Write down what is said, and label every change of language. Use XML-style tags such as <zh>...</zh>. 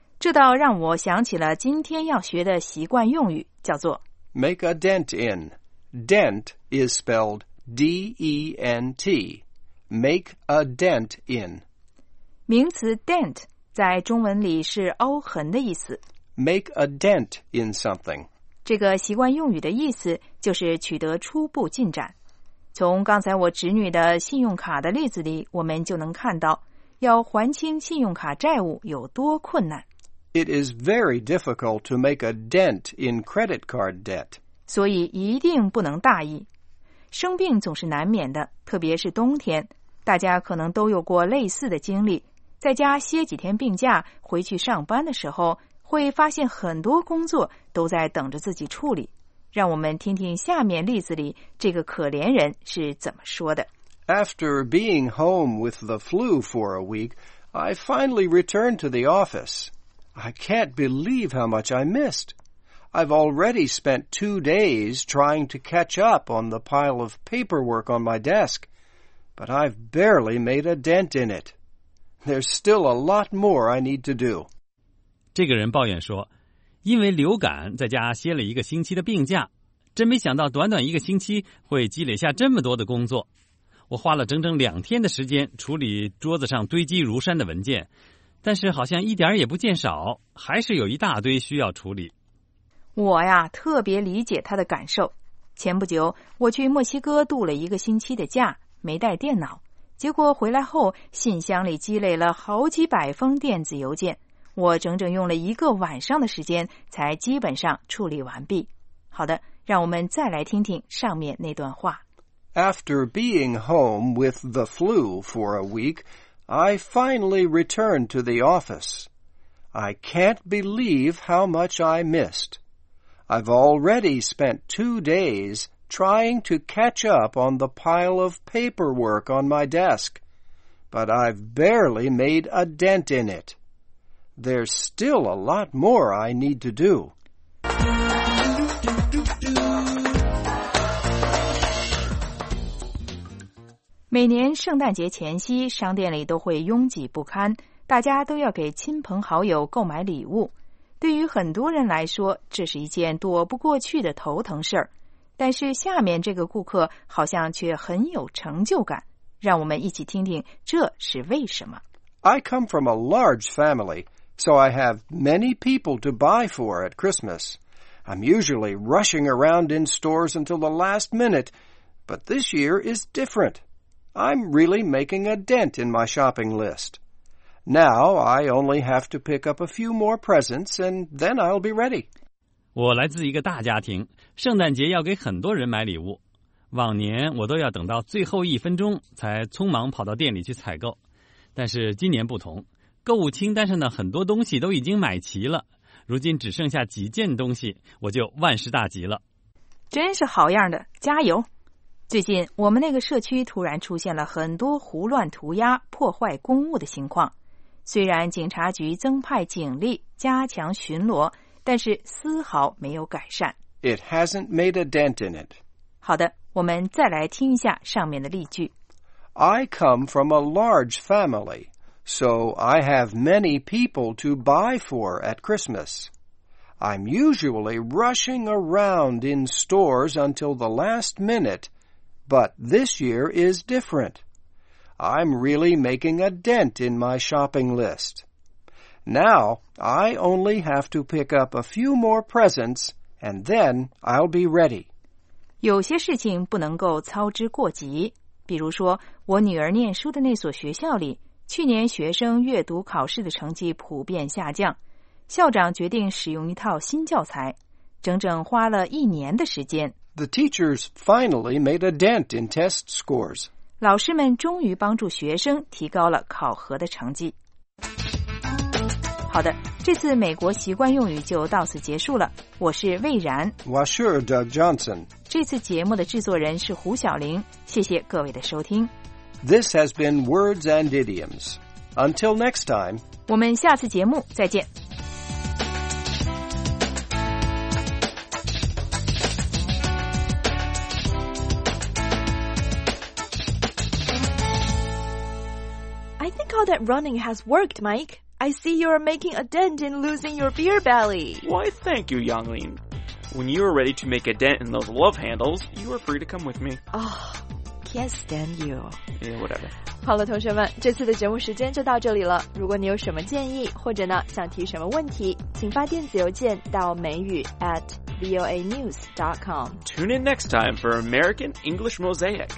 <zh>这倒让我想起了今天要学的习惯用语，叫做</zh> <en>make a dent in. Dent is spelled D-E-N-T. Make a dent in.</en> <zh>名词 dent 在中文里是凹痕的意思。</zh> <en>Make a dent in something.</en> <zh>这个习惯用语的意思就是取得初步进展。从刚才我侄女的信用卡的例子里，我们就能看到要还清信用卡债务有多困难。</zh> <en>It is very difficult to make a dent in credit card debt.</en> <zh>所以一定不能大意。生病总是难免的，特别是冬天，大家可能都有过类似的经历，在家歇几天病假，回去上班的时候会发现很多工作都在等着自己处理。让我们听听下面例子里这个可怜人是怎么说的。</zh> <en>After being home with the flu for a week, I finally returned to the office. I can't believe how much I missed. I've already spent 2 days trying to catch up on the pile of paperwork on my desk, but I've barely made a dent in it. There's still a lot more I need to do.</en> <zh>这个人抱怨说，因为流感在家歇了一个星期的病假，真没想到短短一个星期会积累下这么多的工作。我花了整整两天的时间处理桌子上堆积如山的文件，但是好像一点也不见少，还是有一大堆需要处理。我呀，特别理解他的感受。前不久，我去墨西哥度了一个星期的假，没带电脑。结果回来后，信箱里积累了好几百封电子邮件，我整整用了一个晚上的时间才基本上处理完毕。好的，让我们再来听听上面那段话。</zh> <en>After being home with the flu for a week, I finally returned to the office. I can't believe how much I missed. I've already spent 2 days trying to catch up on the pile of paperwork on my desk, but I've barely made a dent in it. There's still a lot more I need to do.</en> <zh>每年圣诞节前夕，商店里都会拥挤不堪，大家都要给亲朋好友购买礼物。对于很多人来说，这是一件躲不过去的头疼事儿。但是下面这个顾客好像却很有成就感，让我们一起听听这是为什么。</zh> <en>I come from a large family, so I have many people to buy for at Christmas. I'm usually rushing around in stores until the last minute, but this year is different. I'm really making a dent in my shopping list. Now I only have to pick up a few more presents and then I'll be ready.</en> <zh>我来自一个大家庭，圣诞节要给很多人买礼物。往年我都要等到最后一分钟才匆忙跑到店里去采购。但是今年不同，购物清单上的很多东西都已经买齐了，如今只剩下几件东西，我就万事大吉了。真是好样的，加油。最近我们那个社区突然出现了很多胡乱涂鸦、破坏公物的情况，虽然警察局增派警力加强巡逻，但是丝毫没有改善。</zh> <en>It hasn't made a dent in it.</en> <zh>好的，我们再来听一下上面的例句。</zh> <en>I come from a large family, so I have many people to buy for at Christmas. I'm usually rushing around in stores until the last minute,But this year is different. I'm really making a dent in my shopping list. Now, I only have to pick up a few more presents, and then I'll be ready.</en> <zh>有些事情不能够操之过急。比如说，我女儿念书的那所学校里，去年学生阅读考试的成绩普遍下降。校长决定使用一套新教材，整整花了一年的时间。</zh> <en>The teachers finally made a dent in test scores.</en> <zh>老师们终于帮助学生提高了考核的成绩。好的，这次美国习惯用语就到此结束了。我是魏然。</zh> <en>Washer Doug Johnson.</en> <zh>这次节目的制作人是胡晓玲。谢谢各位的收听。</zh> <en>This has been Words and Idioms. Until next time.</en> <zh>我们下次节目再见。</zh> <en>That running has worked, Mike. I see you are making a dent in losing your beer belly. Why, thank you, Yangling. When you are ready to make a dent in those love handles, you are free to come with me. Oh, can't stand you. Yeah, whatever.</en> <zh>好了，同学们，这次的节目时间就到这里了。如果你有什么建议，或者呢想提什么问题，请发电子邮件到美语@voanews.com.</zh> <en>Tune in next time for American English Mosaic.</en>